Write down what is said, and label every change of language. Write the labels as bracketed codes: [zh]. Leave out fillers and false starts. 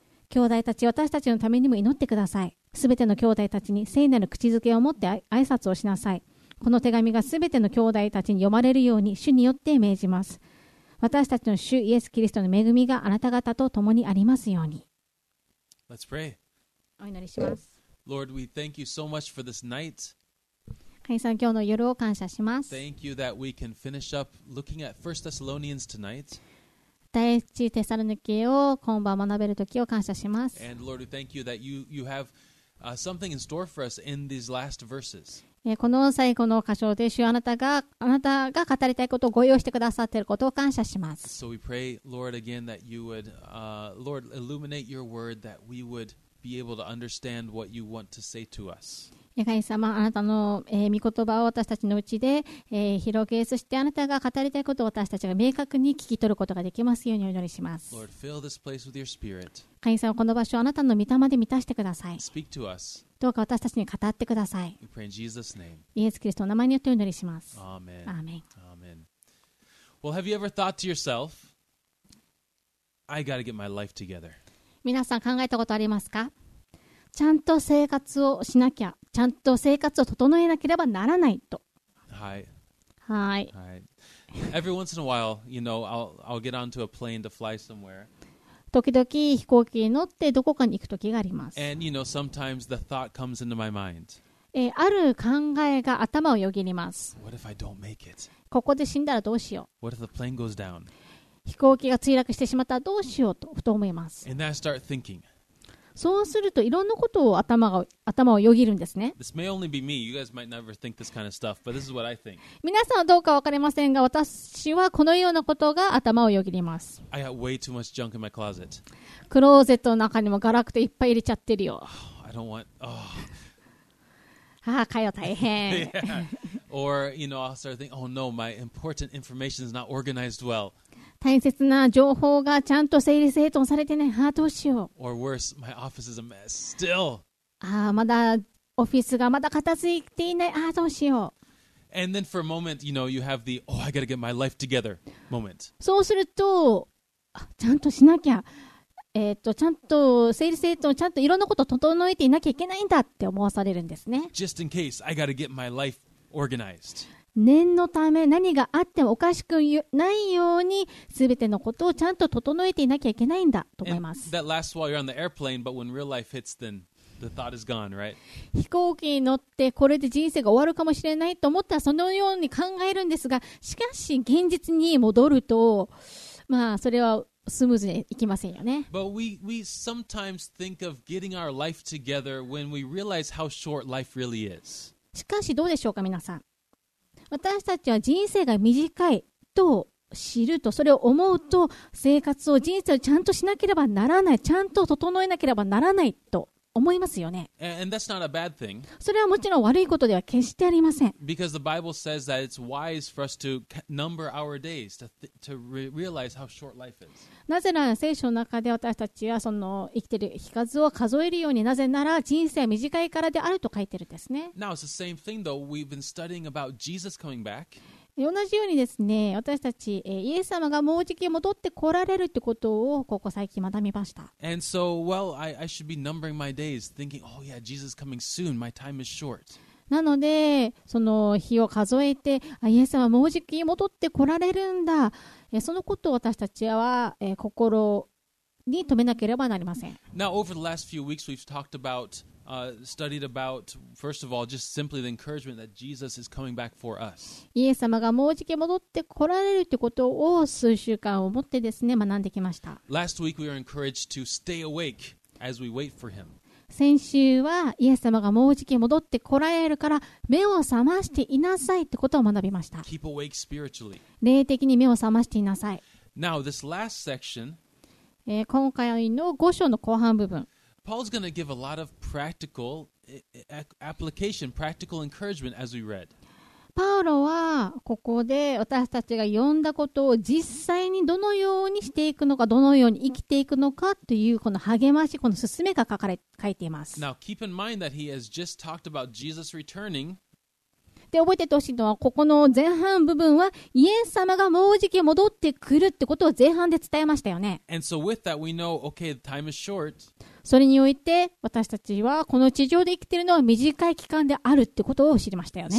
[ja] 兄弟たち、私たちのためにも祈ってください。すべての兄弟たちに聖なる口づけを持って挨拶をしなさい。この手紙がすべての兄弟たちに読まれるように主によって命じます。私たちの主イエス・キリストの恵みがあなた方と共にありますように。 [en] Let's pray. [ja] お祈りします。 [en] Lord, we thank you so much for this night. [ja] 神様、今日の夜を感謝します。 [en] Thank you that we can finish up looking at 1 Thessalonians tonight. [ja] 第一テサロニケを今晩学べる時を感謝します。 [en] And Lord, we thank you that you have something in store for us in these last verses. [ja] この最後の箇所で、主、あなたが語りたいことをご用意してくださっていることを感謝します。 [en] So we pray, Lord, again, that you would, Lord, illuminate your word, that we would be able to understand what you want to say to us. [ja] 神様、あなたの、御言葉を私たちのうちで、広げ、そしてあなたが語りたいことを私たちが明確に聞き取ることができますようにお祈りします。 [en] Lord, fill this place with your spirit. [ja] 神様、この場所をあなたの御霊で満たしてください。 [en] Speak to us. [ja] どうか私たちに語ってください。 [en] We pray in Jesus' name. [ja] イエス・キリストの名前によってお祈りします。 [en] Amen. Amen. Amen. Well, have you ever thought to yourself, I gotta get my life together. [ja] 皆さん考えたことありますか？ちゃんと生活をしなきゃ、ちゃんと生活を整えなければならないと。はい。はい。はい。 [en] Every once in a while, you know, I'll get onto a plane to fly somewhere. [ja] 時々飛行機に乗ってどこかに行くときがあります。 [en] And, you know, sometimes the thought comes into my mind. [ja] ある考えが頭をよぎります。 [en] What if I don't make it? [ja] ここで死んだらどうしよう。 [en] What if the plane goes down? [ja] 飛行機が墜落してしまったらどうしようとふと思います。 [en] And then I start thinking. [ja] そうするといろんなことを頭をよぎるんですね。 [en] This may only be me. You guys might never think this kind of stuff, but this is what I think. [ja] 皆さんはどうか分かりませんが、私はこのようなことが頭をよぎります。 [en] I got way too much junk in my closet. [ja] クローゼットの中にもガラクタいっぱい入れちゃってるよ。 [en] I don't want. [ja] ああ、かよ、大変。 [en] yeah. Or, you know, I'll start thinking, oh no, my important information is not organized well. [ja] 大切な情報がちゃんと整理整頓されてない。ああ、どうしよう。 [en] Or worse, my office is a mess. Still. [ja] ああ、まだオフィスがまだ片付いていない。ああ、どうしよう。 [en] And then for a moment, you know, you have the, oh, I gotta get my life together moment. [ja] そうすると、ちゃんとしなきゃ。ちゃんと整理整頓、ちゃんといろんなことを整えていなきゃいけないんだって思わされるんですね。 [en] Just in case, I gotta get my life organized. [ja] 念のため、何があってもおかしくないように、すべてのことをちゃんと整えていなきゃいけないんだと思います。 [en] And that lasts while you're on the airplane, but when real life hits, then the thought is gone, right? [ja] 飛行機に乗って、これで人生が終わるかもしれないと思ったら、そのように考えるんですが、しかし現実に戻ると、まあ、それは、スムーズにいきませんよね。 [en] But we sometimes think of getting our life together when we realize how short life really is. [ja] しかしどうでしょうか皆さん。私たちは人生が短いと知ると、それを思うと、生活を人生をちゃんとしなければならない、ちゃんと整えなければならないと思いますよね。 [en] And that's not a bad thing. [ja] それはもちろん悪いことでは決してありません。 [en] Because the Bible says that it's wise for us to number our days to realize how short life is. [ja] なぜなら聖書の中で私たちはその生きている日数を数えるようになぜなら人生は短いからであると書いてるんですね。 [en] Now it's the same thing though. We've been studying about Jesus coming back. [ja] 同じようにですね、私たちイエス様がもうじき戻って来られるってことをここ最近学びました。 [en] And so, well, I should be numbering my days, thinking, oh yeah, Jesus coming soon, my time is short. [ja] なので、その日を数えて、イエス様もうじき戻って来られるんだ。そのことを私たちは心に留めなければなりません。 [en] Now, over the last few weeks, we've talked about, studied about, first of all, just simply the encouragement that Jesus is coming back for us. [ja] イエス様がもうじき戻って来られるということを数週間をもってですね、学んできました。 [en] Last week, we were encouraged to stay awake as we wait for him. [ja] 先週はイエス様がもうじき戻って来られるから目を覚ましていなさいってことを学びました。 [en] Keep awake spiritually. [ja] 霊的に目を覚ましていなさい。 [en] Now, this last section, [ja] 今回の5章の後半部分。 [en] Paul's going to give a lot of practical application, practical encouragement as we read. [ja] パウロはここで私たちが読んだことを実際にどのようにしていくのか、どのように生きていくのかというこの励まし、この勧めが書いています。 [en] Now, keep in mind that he has just talked about Jesus returning. [ja] で、覚えててほしいのは、ここの前半部分は、イエス様がもうじき戻ってくるってことを前半で伝えましたよね。 [en] And so with that, we know, okay, the time is short. [ja] それにおいて私たちはこの地上で生きているのは短い期間であるってことを知りましたよね。